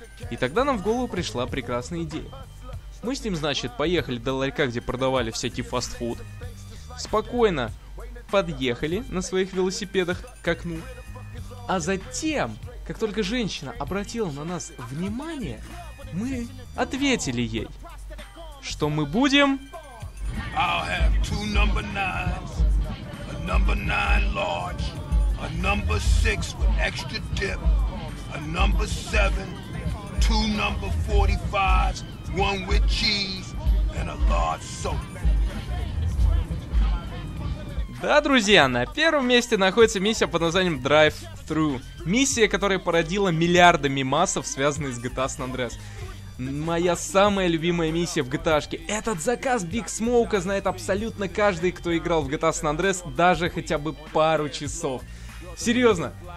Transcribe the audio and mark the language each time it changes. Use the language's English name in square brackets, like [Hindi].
[Russian] И тогда нам в голову пришла прекрасная идея. Мы с ним, значит, поехали до ларька, где продавали всякий фастфуд. Спокойно подъехали на своих велосипедах к окну. А затем, как только женщина обратила на нас внимание, мы ответили ей, что мы будем... [English] I'll have two number nines, a number nine large, a number six with extra dip, a number seven, two number 45s, one with cheese, and a large soda. [Russian] Да, друзья, на первом месте находится миссия под названием Drive-Thru. Миссия, которая породила миллиарды мемасов, связанные с GTA San Andreas. Моя самая любимая миссия в GTA-шке. Этот заказ Биг Смоука знает абсолютно каждый, кто играл в GTA San Andreas даже хотя бы пару часов. Серьезно.